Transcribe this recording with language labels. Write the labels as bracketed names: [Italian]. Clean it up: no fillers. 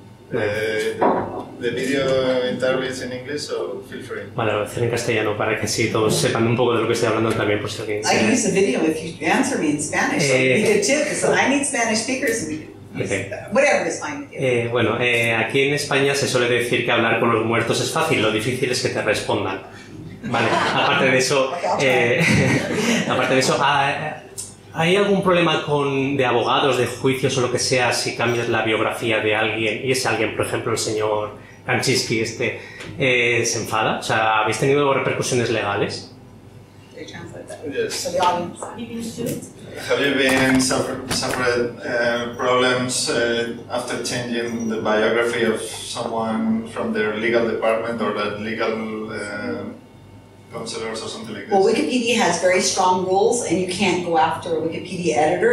[English] The video interview is in English, so feel free. [Spanish] Vale, voy a hacer en castellano para que así todos sepan un poco de lo que estoy hablando también, por si alguien. [English] I can use the video if you answer me in Spanish. We did too, so I need Spanish speakers. Whatever is fine. [Spanish] Aquí en España se suele decir que hablar con los muertos es fácil. Lo difícil es que te respondan. Vale. Aparte de eso, ¿hay algún problema con de abogados, de juicios o lo que sea si cambias la biografía de alguien y ese alguien, por ejemplo, el señor Kanchinsky, se enfada? O sea, ¿habéis tenido repercusiones legales? [English] they translate that. Yes. So the audience. Have you been suffered problems after changing the biography of someone from their legal department or that legal counselors or something like this? Well, Wikipedia has very strong rules, and you can't go after a Wikipedia editor.